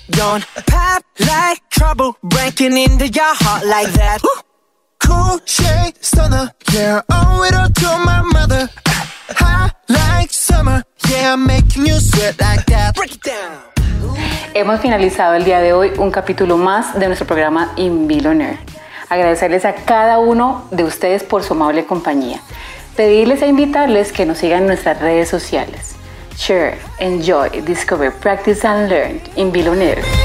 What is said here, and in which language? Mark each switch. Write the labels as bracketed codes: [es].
[en] Don't pop like trouble, breaking into your heart like that. Ooh. Cool shade stunner, yeah, owe it all to my mother. Hot like summer, yeah, making you sweat like that. Break it down. [es] Hemos finalizado el día de hoy un capítulo más de nuestro programa In Billionaire. Agradecerles a cada uno de ustedes por su amable compañía. Pedirles e invitarles que nos sigan en nuestras redes sociales. [en] Share, enjoy, discover, practice and learn in Billionaire.